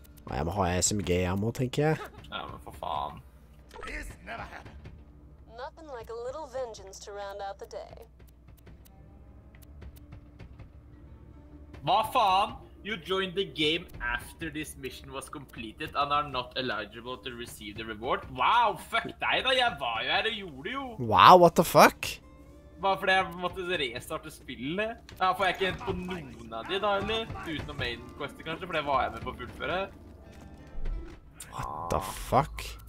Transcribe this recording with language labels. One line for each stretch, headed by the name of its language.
Norwegian: Jeg må ha SMG ammo, tenker jeg. Ja, men for faen.
English: This never happened. Nothing like a little vengeance to round out the day.
Norwegian: Hva faen?
English: You joined the game after this mission was completed and are not eligible to receive the reward.
Norwegian: Wow, fuck deg da. Jeg var jo her og gjorde jo.
English: Wow, what the fuck?
Norwegian: Bare fordi jeg måtte restarte spillet. Ja, for jeg er ikke endt på noen av de da, eller? Uten noen main quest, kanskje, for det var jeg med på fullføret.
English: What the fuck?